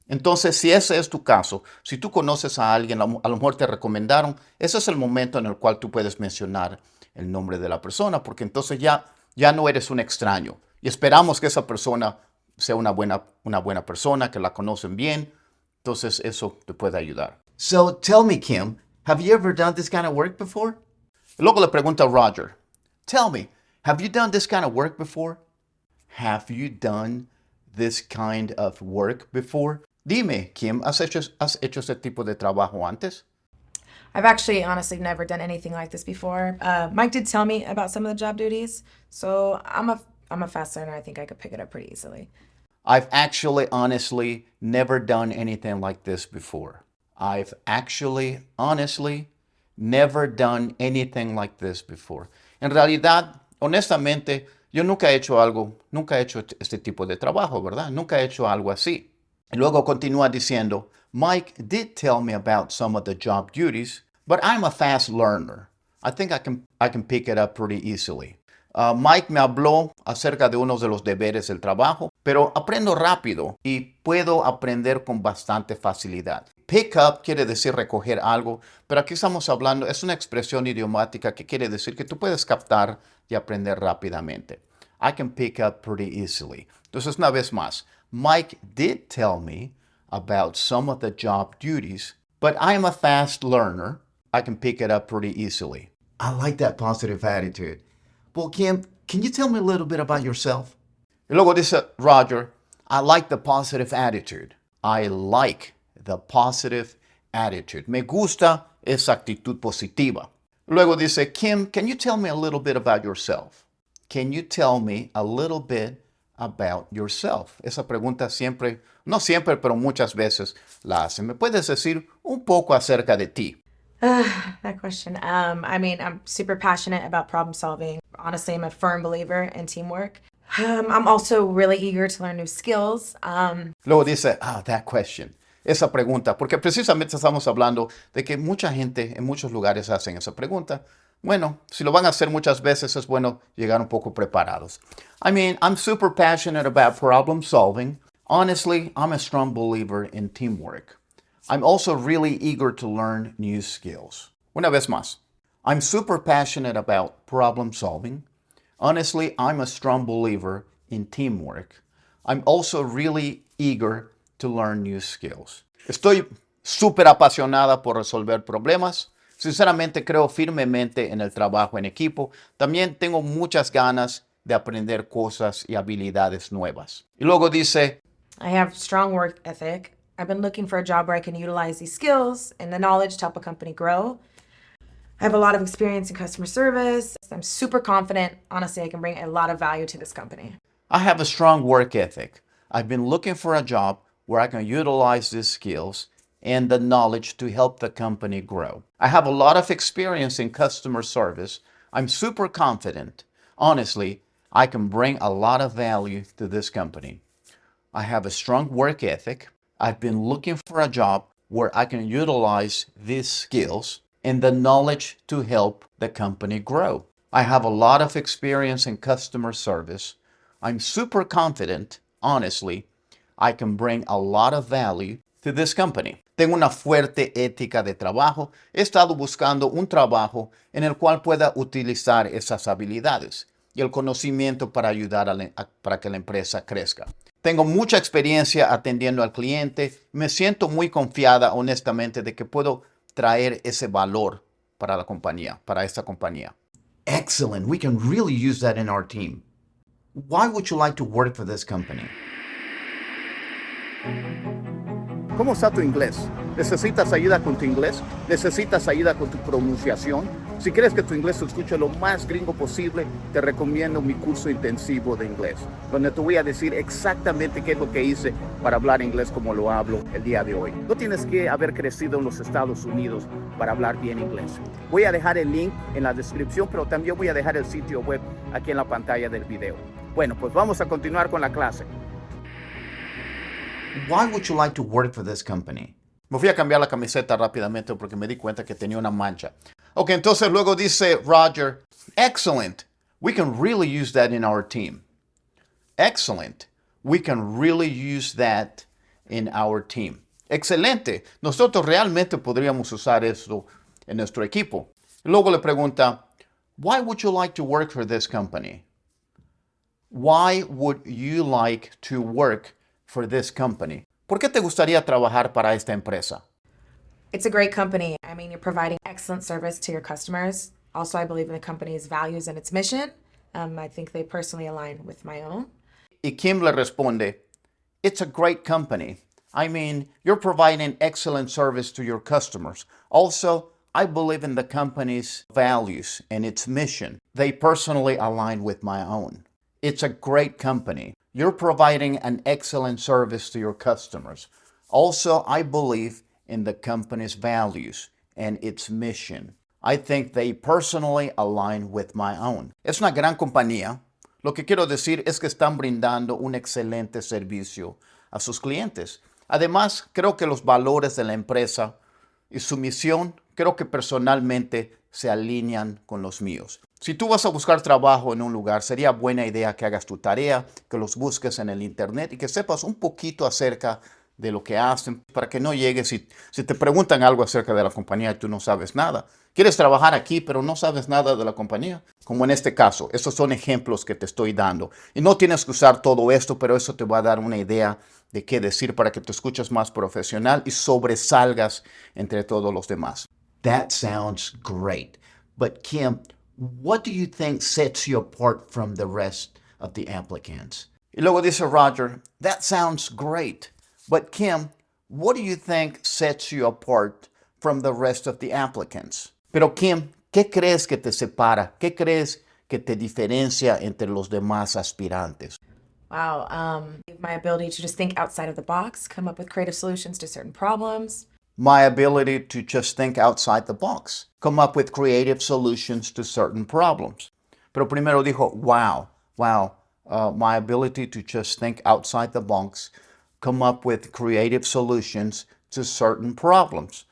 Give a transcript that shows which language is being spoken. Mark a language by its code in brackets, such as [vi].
[es] Entonces, si ese es tu caso, si tú conoces a alguien, a lo mejor te recomendaron, ese es el momento en el cual tú puedes mencionar el nombre de la persona, porque entonces ya no eres un extraño. Y esperamos que esa persona sea una buena persona, que la conocen bien. Entonces, eso te puede ayudar. [en] So, tell me, Kim, have you ever done this kind of work before? [es] Luego le pregunta a Roger, [en] tell me, have you done this kind of work before? Have you done this kind of work before? [es] Dime, Kim, ¿has hecho este tipo de trabajo antes? [en] I've actually, honestly, never done anything like this before. Mike did tell me about some of the job duties, so I'm a fast learner. I think I could pick it up pretty easily. I've actually, honestly, never done anything like this before. I've actually, honestly, never done anything like this before. [es] En realidad, honestamente, yo nunca he hecho este tipo de trabajo, ¿verdad? Nunca he hecho algo así. Y luego continúa diciendo, [en] Mike did tell me about some of the job duties, but I'm a fast learner. I think I can pick it up pretty easily. [es] Mike me habló acerca de unos de los deberes del trabajo, pero aprendo rápido y puedo aprender con bastante facilidad. Pick up quiere decir recoger algo, pero aquí estamos hablando, es una expresión idiomática que quiere decir que tú puedes captar y aprender rápidamente. [en] I can pick up pretty easily. [es] Entonces, una vez más, [en] Mike did tell me about some of the job duties, but I am a fast learner. I can pick it up pretty easily. I like that positive attitude. Well, Kim, can you tell me a little bit about yourself? [es] Y luego dice, [en] Roger, I like the positive attitude. I like the positive attitude. [es] Me gusta esa actitud positiva. Luego dice, [en] Kim, can you tell me a little bit about yourself? Can you tell me a little bit about yourself? [es] Esa pregunta siempre, no siempre, pero muchas veces la hacen. ¿Me puedes decir un poco acerca de ti? [en] That question. I mean, I'm super passionate about problem solving. Honestly, I'm a firm believer in teamwork. I'm also really eager to learn new skills. [es] Luego dice, [en] that question. [es] Esa pregunta, porque precisamente estamos hablando de que mucha gente en muchos lugares hacen esa pregunta. Bueno, si lo van a hacer muchas veces, es bueno llegar un poco preparados. [en] I mean, I'm super passionate about problem solving. Honestly, I'm a strong believer in teamwork. I'm also really eager to learn new skills. [es] Una vez más. [en] I'm super passionate about problem solving. Honestly, I'm a strong believer in teamwork. I'm also really eager to learn new skills. [es] Estoy súper apasionada por resolver problemas. Sinceramente, creo firmemente en el trabajo en equipo. También tengo muchas ganas de aprender cosas y habilidades nuevas. Y luego dice, [en] I have strong work ethic. I've been looking for a job where I can utilize these skills and the knowledge to help a company grow. I have a lot of experience in customer service. I'm super confident. Honestly, I can bring a lot of value to this company. I have a strong work ethic. I've been looking for a job where I can utilize these skills and the knowledge to help the company grow. I have a lot of experience in customer service. I'm super confident. Honestly, I can bring a lot of value to this company. I have a strong work ethic. I've been looking for a job where I can utilize these skills and the knowledge to help the company grow. I have a lot of experience in customer service. I'm super confident, honestly, I can bring a lot of value to this company. [es] Tengo una fuerte ética de trabajo. He estado buscando un trabajo en el cual pueda utilizar esas habilidades y el conocimiento para ayudar para que la empresa crezca. Tengo mucha experiencia atendiendo al cliente. Me siento muy confiada, honestamente, de que puedo traer ese valor para la compañía, para esta compañía. [en] Excellent. We can really use that in our team. Why would you like to work for this company? [es] ¿Cómo está tu inglés? ¿Necesitas ayuda con tu inglés? ¿Necesitas ayuda con tu pronunciación? Si quieres que tu inglés se escuche lo más gringo posible, te recomiendo mi curso intensivo de inglés, donde te voy a decir exactamente qué es lo que hice para hablar inglés como lo hablo el día de hoy. No tienes que haber crecido en los Estados Unidos para hablar bien inglés. Voy a dejar el link en la descripción, pero también voy a dejar el sitio web aquí en la pantalla del video. Bueno, pues vamos a continuar con la clase. [en] Why would you like to work for this company? [es] Me fui a cambiar la camiseta rápidamente porque me di cuenta que tenía una mancha. Ok, entonces luego dice [en] Roger, excellent, we can really use that in our team. Excellent, we can really use that in our team. [es] Excelente, nosotros realmente podríamos usar esto en nuestro equipo. Luego le pregunta, [en] why would you like to work for this company? Why would you like to work for this company? [es] ¿Por qué te gustaría trabajar para esta empresa? [en] It's a great company. I mean, you're providing excellent service to your customers. Also, I believe in the company's values and its mission. I think they personally align with my own. [es] Y Kim le responde, [en] it's a great company. I mean, you're providing excellent service to your customers. Also, I believe in the company's values and its mission. They personally align with my own. It's a great company. You're providing an excellent service to your customers. Also, I believe in the company's values and its mission. I think they personally align with my own. [es] Es una gran compañía. Lo que quiero decir es que están brindando un excelente servicio a sus clientes. Además, creo que los valores de la empresa y su misión, creo que personalmente se alinean con los míos. Si tú vas a buscar trabajo en un lugar, sería buena idea que hagas tu tarea, que los busques en el internet y que sepas un poquito acerca de lo que hacen para que no llegues y si te preguntan algo acerca de la compañía y tú no sabes nada. ¿Quieres trabajar aquí pero no sabes nada de la compañía? Como en este caso, estos son ejemplos que te estoy dando. Y no tienes que usar todo esto, pero eso te va a dar una idea de qué decir para que te escuches más profesional y sobresalgas entre todos los demás. [en] That sounds great. But Kim, what do you think sets you apart from the rest of the applicants? [es] Y luego dice [en] Roger, that sounds great. But Kim, what do you think sets you apart from the rest of the applicants? [es] Pero Kim, ¿qué crees que te separa? ¿Qué crees que te diferencia entre los demás aspirantes? [en] Wow, my ability to just think outside of the box, come up with creative solutions to certain problems. My ability to just think outside the box, come up with creative solutions to certain problems. [es] Pero primero dijo, [en] my ability to just think outside the box, come up with creative solutions to certain problems.